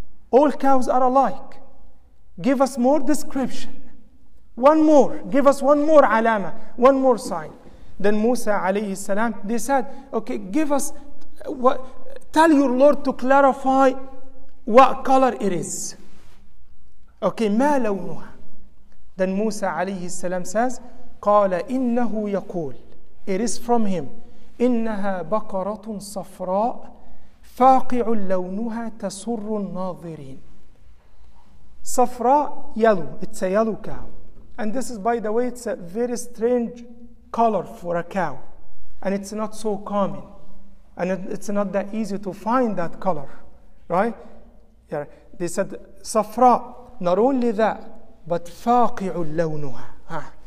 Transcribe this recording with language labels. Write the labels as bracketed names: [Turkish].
[English] All cows are alike. Give us more description. One more. Give us one more alama, one more sign. Then Musa alayhi salam, they said, okay, give us, tell your Lord to clarify what color it is. Okay, [Arabic] ما لونها. [English] Then Musa alayhi salam says, [Arabic] قال إنه يقول, [English] it is from him, [Arabic] إنها بقرة صفراء فاقع لونها تسر الناظرين. [English] صفراء, yellow, it's a yellow cow. And this is, by the way, it's a very strange color for a cow, and it's not so common, and it's not that easy to find that color, right? Yeah. They said safra, not only that, but faqi'u lawnuha.